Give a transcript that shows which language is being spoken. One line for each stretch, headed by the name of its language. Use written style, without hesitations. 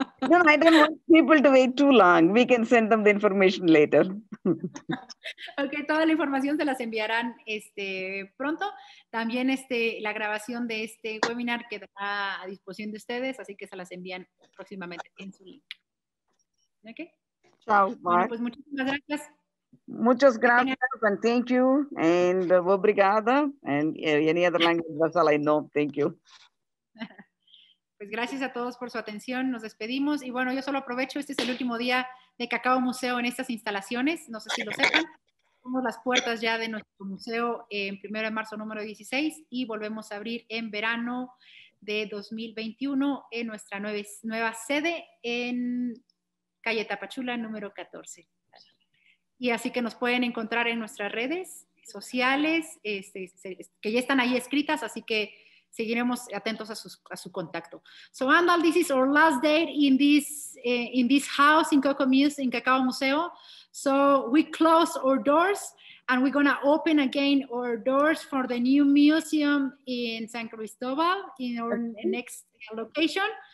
English: No, I don't want people to wait too long. We can send them the information later.
Spanish: Okay, toda la información se las enviarán pronto. También la grabación de este webinar quedará a disposición de ustedes, así que se las envían próximamente en su link. Okay. Chao. Bueno, pues muchísimas gracias. Muchas gracias
English: and thank you and
Portuguese: obrigada
English: and any other language that's all I know. Thank you.
Spanish: Pues gracias a todos por su atención. Nos despedimos y bueno, yo solo aprovecho, este es el último día de Cacao Museo en estas instalaciones. No sé si lo sepan. Tenemos las puertas ya de nuestro museo en 1 de marzo número 16 y volvemos a abrir en verano de 2021 en nuestra nueva sede en calle Tapachula número 14. Y así que nos pueden encontrar en nuestras redes sociales, que ya están ahí escritas, así que seguiremos atentos a su contacto.
English: So, Andal, this is our last day in this house in Cocoa Muse, in Cacao Museo. So, we close our doors, and we're going to open again our doors for the new museum in San Cristobal, in our next location.